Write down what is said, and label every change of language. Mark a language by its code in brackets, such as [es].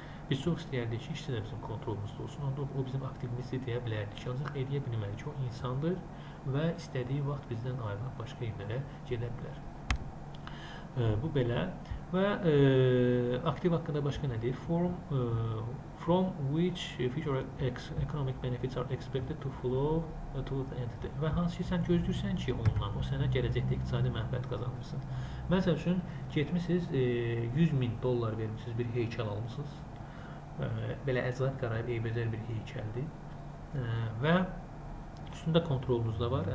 [az] Biz çox istəyərdik ki, işçi də bizim kontrolümüzdə olsun, onda o bizim aktivimizdir deyə bilərdik. Ancaq edə bilməli ki, o insandır və istədiyi vaxt bizdən ayrılıb başqa yerlərə gedə bilər. Bu belə. Və aktiv haqqında başqa nə deyir? [en] From which future economic benefits are expected to flow to the entity. [az] Və hansı ki, sən gözləyirsən ki, ondan o sənə gələcəkdə iqtisadi mənfəət qazanırsın. Məsəl üçün, getmisiniz 100 min dollar vermişsiniz, bir heykəl almışsınız. Belə əczat qarayıb eybəcər bir heykəldir. Və üstündə kontrolunuz da var.